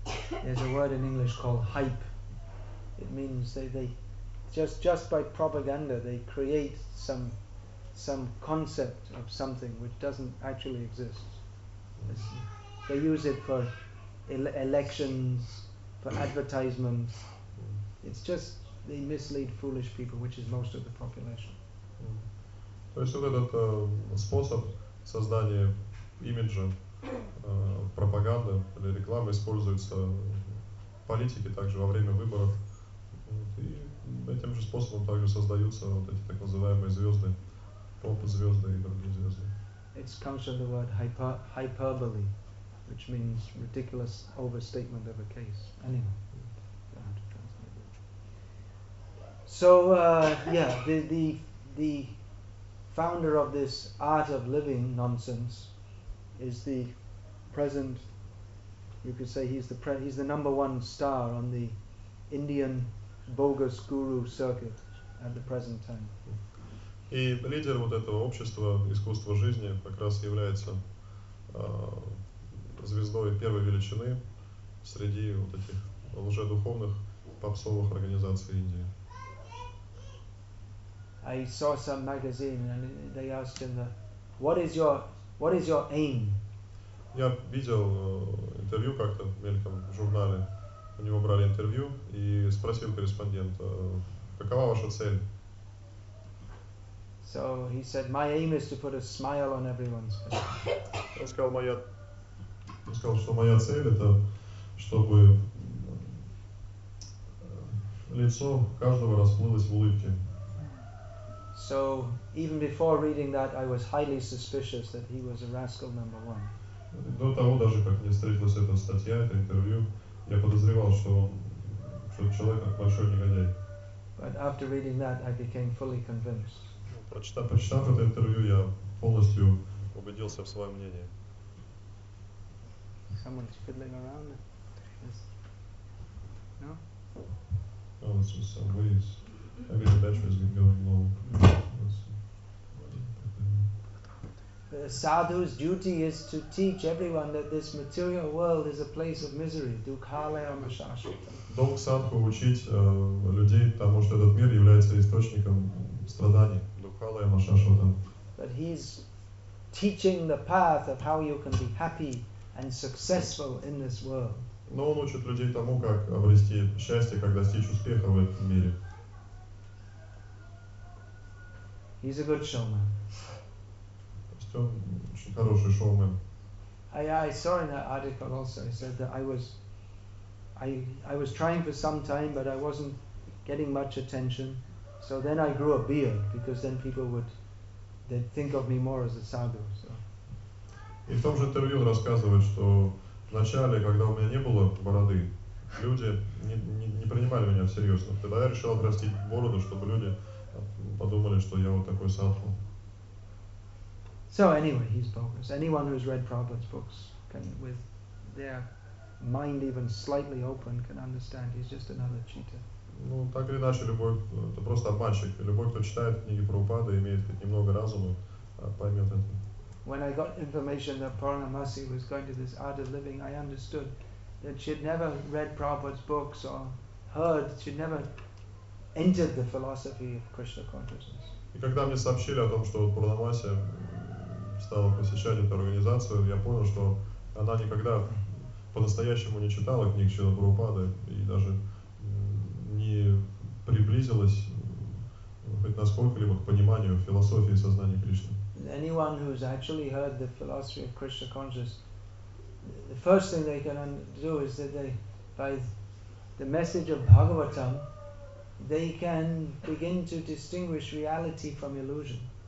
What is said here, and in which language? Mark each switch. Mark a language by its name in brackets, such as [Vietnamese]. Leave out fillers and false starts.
[English] There's a word in English called hype. It means they just by propaganda they create some concept of something which doesn't actually exist. They use it for elections, for advertisements. It's just they mislead foolish people, which is most of the population. [Russian] То есть вот этот способ создания имиджа, пропаганды или рекламы используется в политике также во время выборов. И этим же способом также создаются вот эти так называемые звезды, поп-звезды и другие звезды. [English] It comes from the word hyperbole. Which means ridiculous overstatement of a case. Anyway, how to translate it. So the founder of this art of living nonsense is the present. You could say he's the number one star on the Indian bogus guru circuit at the present time. [Russian] И лидер вот этого общества искусства жизни как раз является звездой первой величины среди вот этих лжедуховных попсовых организаций Индии. [English] I saw some magazine and they asked him, what is your aim? [Russian] Я видел интервью как-то в мельком журнале. У него брали интервью и спросил корреспондент, какова ваша цель? [English] So he said, my aim is to put a smile on everyone's face. [Russian] Он сказал, что моя цель это, чтобы лицо каждого расплылось в улыбке. [English] So even before reading that, I was highly suspicious that he was a rascal number one. [Russian] До того, даже как мне встретилась эта статья, это интервью, я подозревал, что он, что человек как большой негодяй. [English] But after reading that, I became fully convinced. [Russian] Прочитав это интервью, я полностью убедился в своем мнении. [English] Someone's fiddling around. Yes. No? Oh, it's just some waves. Maybe the battery's been going low. The sadhu's duty is to teach everyone that this material world is a place of misery. [Sanskrit] Dukhalayam shashvatam. [Russian] Долг садху учить людей тому, что этот мир является источником страданий. [Sanskrit] Dukhalayam shashvatam. [English] But he's teaching the path of how you can be happy and successful in this world. [Russian] Но он учит людей тому, как обрести счастье, как достичь успеха в этом мире. [English] He's a good showman. [Russian] Очень хороший шоумен. [English] I saw in that article also. He said that I was trying for some time, but I wasn't getting much attention. So then I grew a beard because then people would they'd think of me more as a sadhu. So. [Russian] И в том же интервью он рассказывает, что вначале, когда у меня не было бороды, люди не принимали меня всерьез. Но тогда я решил отрастить бороду, чтобы люди подумали, что я вот такой садху. [English] So anyway, he's bogus. Anyone who's read Prabhupada's books can, with their mind even slightly open, can understand he's just another cheater. [Russian] Ну, так или иначе, любой, это просто обманщик. Любой, кто читает книги Прабхупады, имеет хоть немного разума, поймет это. [English] When I got information that Purnamasi was going to this Ada living, I understood that she'd never read Prabhupada's books or heard, she'd never entered the philosophy of Krishna consciousness. [Russian] И когда мне сообщили о том, что Пурнамаси стала посещать эту организацию, я понял, что она никогда по-настоящему не читала книг Шрилы Прабхупады и даже не приблизилась хоть насколько-либо к пониманию философии сознания Кришны. [English] Anyone who's actually heard the philosophy of Krishna consciousness, the first thing they can do is that they, by the message of Bhagavatam, they can begin to distinguish reality from illusion.